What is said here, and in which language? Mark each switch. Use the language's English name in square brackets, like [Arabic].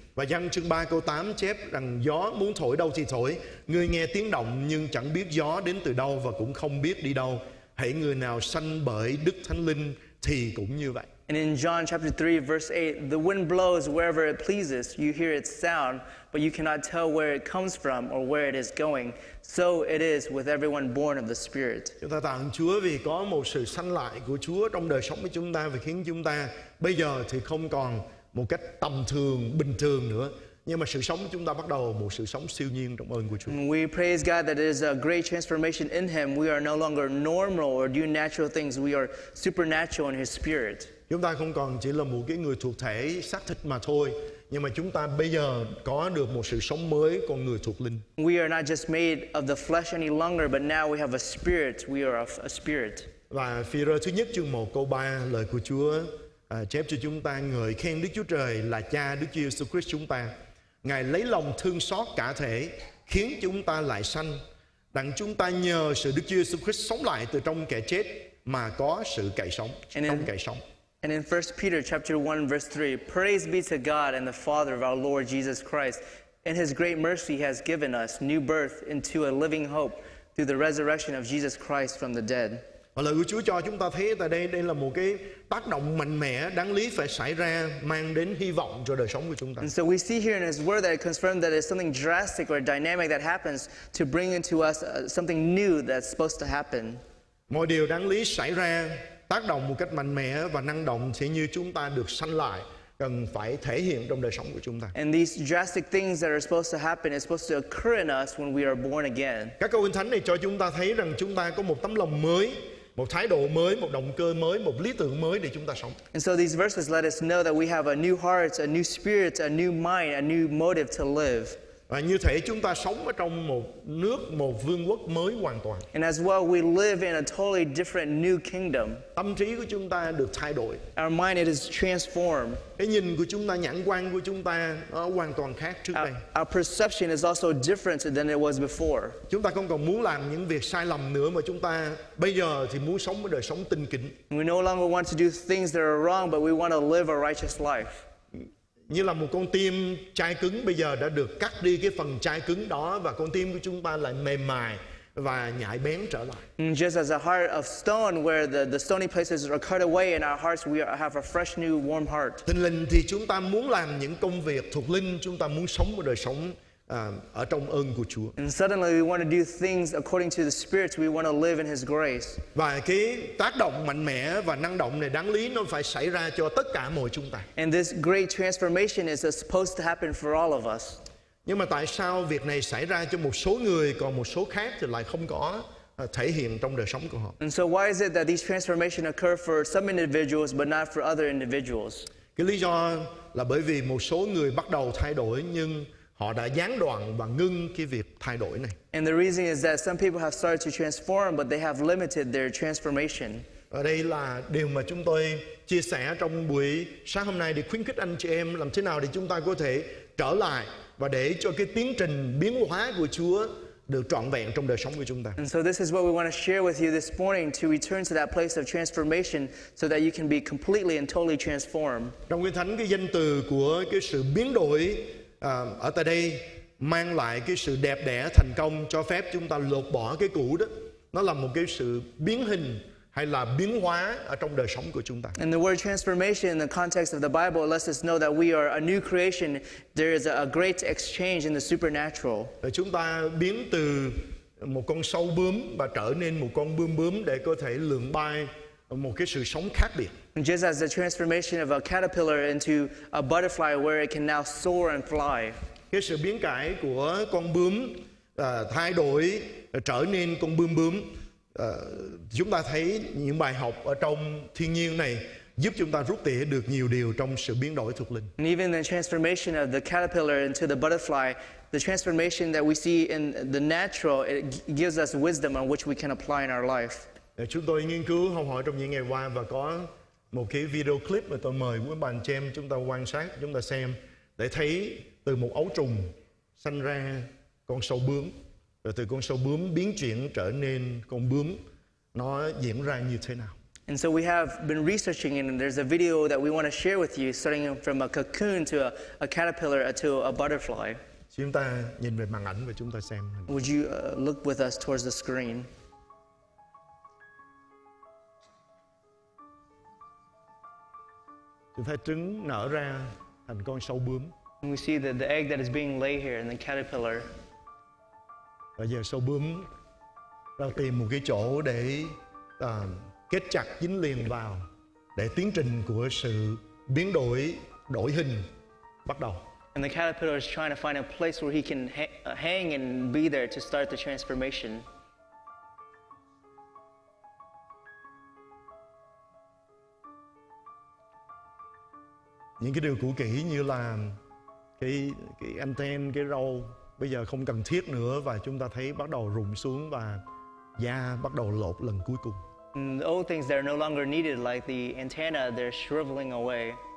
[Vietnamese] Và Giăng chương 3 câu 8 chép rằng gió muốn thổi đâu thì thổi, người nghe tiếng động nhưng chẳng biết gió đến từ đâu và cũng không biết đi đâu. Hễ người nào sanh bởi Đức Thánh Linh thì cũng như vậy. [English] And in John chapter 3 verse 8, the wind blows wherever it pleases, you hear its sound, but you cannot tell where it comes from or where it is going. So it is with everyone born of the Spirit. [Vietnamese] Chúng ta tạ ơn Chúa vì có một sự sanh lại của Chúa trong đời sống của chúng ta và khiến chúng ta bây giờ thì không còn một cách tầm thường, bình thường nữa. Nhưng mà sự sống của chúng ta bắt đầu một sự sống siêu nhiên trong ơn của Chúa. [English] We praise God that it is a great transformation in him. We are no longer normal or do natural things. We are supernatural in his spirit. [Vietnamese] Chúng ta không còn chỉ là một cái người thuộc thể xác thịt mà thôi. Nhưng mà chúng ta bây giờ có được một sự sống mới, con người thuộc linh. [English] We are not just made of the flesh any longer, but now we have a spirit. We are of a spirit. [Vietnamese] Và Phi-rơ thứ nhất chương 1 câu 3, lời của Chúa chép cho chúng ta ngợi khen Đức Chúa Trời là Cha Đức Chúa Jesus Christ chúng ta. Ngài lấy lòng thương xót cả thể khiến chúng ta lại sanh, đặng chúng ta nhờ sự Đức Chúa Jesus Christ sống lại từ trong kẻ chết mà có sự cậy sống, trong cậy sống. [English] And in 1 Peter chapter 1 verse 3, praise be to God and the Father of our Lord Jesus Christ, in his great mercy he has given us new birth into a living hope through the resurrection of Jesus Christ from the dead. [Vietnamese] Và lời của Chúa cho chúng ta thấy tại đây, đây là một cái tác động mạnh mẽ, đáng lý phải xảy ra, mang đến hy vọng cho đời sống của chúng ta. [English] And so we see here in his word that it confirms that it's something drastic or dynamic that happens to bring into us something new that's supposed to happen. [Vietnamese] Mọi điều đáng lý xảy ra, tác động một cách mạnh mẽ và năng động sẽ như chúng ta được sanh lại, cần phải thể hiện trong đời sống của chúng ta. [English] And these drastic things that are supposed to happen is supposed to occur in us when we are born again. [Vietnamese] Các câu kinh thánh này cho chúng ta thấy rằng chúng ta có một tấm lòng mới, một thái độ mới, một động cơ mới, một lý tưởng mới để chúng ta sống. [English] And so these verses let us know that we have a new heart, a new spirit, a new mind, a new motive to live. [Vietnamese] Và như thế chúng ta sống ở trong một nước, một vương quốc mới hoàn toàn. [English] And as well, we live in a totally different new kingdom. [Vietnamese] Tâm trí của chúng ta được thay đổi. [English] Our mind it is transformed. [Vietnamese] Cái nhìn của chúng ta, nhãn quan của chúng ta hoàn toàn khác trước đây. [English] Our perception is also different than it was before. [Vietnamese] Chúng ta không còn muốn làm những việc sai lầm nữa, mà chúng ta bây giờ thì muốn sống một đời sống tinh kính. [English] We no longer want to do things that are wrong, but we want to live a righteous life. [Vietnamese] Như là một con tim chai cứng bây giờ đã được cắt đi cái phần chai cứng đó, và con tim của chúng ta lại mềm mại và nhạy bén trở lại. [English] Just as a heart of stone where the stony places are cut away and our hearts we have a fresh new warm heart. [Vietnamese] Thần linh thì chúng ta muốn làm những công việc thuộc linh, chúng ta muốn sống một đời sống ở trong ơn của Chúa. [English] And suddenly we want to do things according to the Spirit, we want to live in His grace. [Vietnamese] Và cái tác động mạnh mẽ và năng động này đáng lý nó phải xảy ra cho tất cả mọi chúng ta. [English] And this great transformation is supposed to happen for all of us. [Vietnamese] Nhưng mà tại sao việc này xảy ra cho một số người, còn một số khác thì lại không có thể hiện trong đời sống của họ? [English] And so why is it that these transformations occur for some individuals but not for other individuals? [Vietnamese] Cái lý do là bởi vì một số người bắt đầu thay đổi nhưng họ đã gián đoạn và ngưng cái việc thay đổi này. [English] And the reason is that some people have started to transform, but they have limited their transformation. [Vietnamese] Ở đây là điều mà chúng tôi chia sẻ trong buổi sáng hôm nay để khuyến khích anh chị em làm thế nào để chúng ta có thể trở lại và để cho cái tiến trình biến hóa của Chúa được trọn vẹn trong đời sống của chúng ta. [English] And so this is what we want to share with you this morning, to return to that place of transformation so that you can be completely and totally transformed. [Vietnamese] Trong Kinh Thánh, cái danh từ của cái sự biến đổi ở tại đây mang lại cái sự đẹp đẽ thành công, cho phép chúng ta lột bỏ cái cũ đó, nó là một cái sự biến hình hay là biến hóa ở trong đời sống của chúng ta. [English] And the word transformation in the context of the Bible lets us know that we are a new creation. There is a great exchange in the supernatural. [Vietnamese] Chúng ta biến từ một con sâu bướm và trở nên một con bươm bướm để có thể lượn bay một cái sự sống khác biệt. [English] Just as the transformation of a caterpillar into a butterfly where it can now soar and fly. [Vietnamese] Cái sự biến cải của con bướm thay đổi trở nên con bươm bướm. Chúng ta thấy những bài học ở trong thiên nhiên này giúp chúng ta rút tỉa được nhiều điều trong sự biến đổi thuộc linh. [English] And even the transformation of the caterpillar into the butterfly, the transformation that we see in the natural, it gives us wisdom on which we can apply in our life. [Vietnamese] Chúng tôi nghiên cứu học hỏi trong những ngày qua và có một cái video clip mà tôi mời quý bạn xem, chúng ta quan sát, chúng ta xem để thấy từ một ấu trùng sanh ra con sâu bướm, rồi từ con sâu bướm biến chuyển trở nên con bướm, nó diễn ra như thế nào. [English] And so we have been researching and there's a video that we want to share with you, starting from a cocoon to a caterpillar to a butterfly. [Vietnamese] Chúng ta nhìn về màn ảnh và chúng ta xem. [English] Would you look with us towards the screen? [Vietnamese] Chúng ta thấy trứng nở ra thành con sâu bướm. [English] And we see the egg that is being laid here in the caterpillar. [Vietnamese] Bây giờ sâu bướm đang tìm một cái chỗ để kết chặt dính liền vào để tiến trình của sự biến đổi, đổi hình bắt đầu. [English] And the caterpillar is trying to find a place where he can hang and be there to start the transformation. [Vietnamese] Những cái điều cũ kỹ như là cái anten, cái râu bây giờ không cần thiết nữa, và chúng ta thấy bắt đầu rụng xuống và da bắt đầu lột lần cuối cùng. [English] The old things that are no longer needed like the antenna, they're shriveling away.